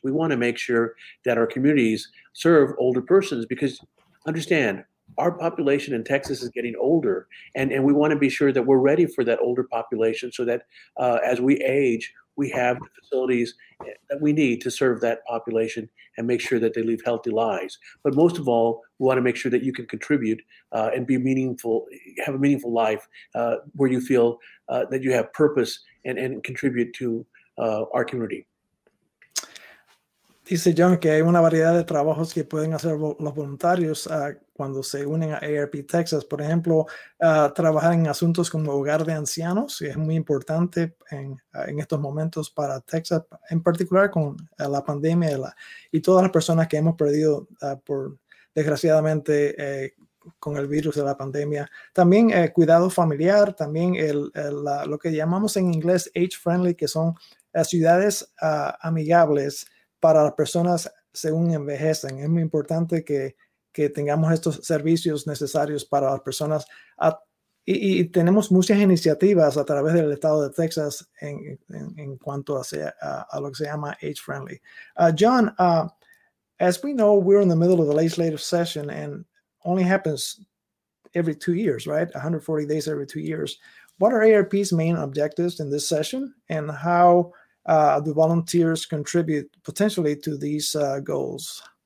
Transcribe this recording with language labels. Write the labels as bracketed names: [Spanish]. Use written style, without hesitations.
[English] We want to make sure that our communities serve older persons, because understand, our population in Texas is getting older, and we want to be sure that we're ready for that older population so that as we age, we have the facilities that we need to serve that population and make sure that they live healthy lives. But most of all, we want to make sure that you can contribute and be meaningful, have a meaningful life where you feel that you have purpose and contribute to our community. [Spanish] Dice John que hay una variedad de trabajos que pueden hacer los voluntarios cuando se unen a AARP Texas. Por ejemplo, trabajar en asuntos como hogar de ancianos, que es muy importante en estos momentos para Texas, en particular con la pandemia y todas las personas que hemos perdido, desgraciadamente, con el virus de la pandemia. También cuidado familiar, también lo que llamamos en inglés age-friendly, que son ciudades amigables para las personas según envejecen. Es muy importante que tengamos estos servicios necesarios para las personas. Y tenemos muchas iniciativas a través del estado de Texas en cuanto a lo que se llama age friendly. [English] John, as we know, we're in the middle of the legislative session and only happens every 2 years, right? 140 days every 2 years. What are AARP's main objectives in this session, and how do volunteers contribute potentially to these goals?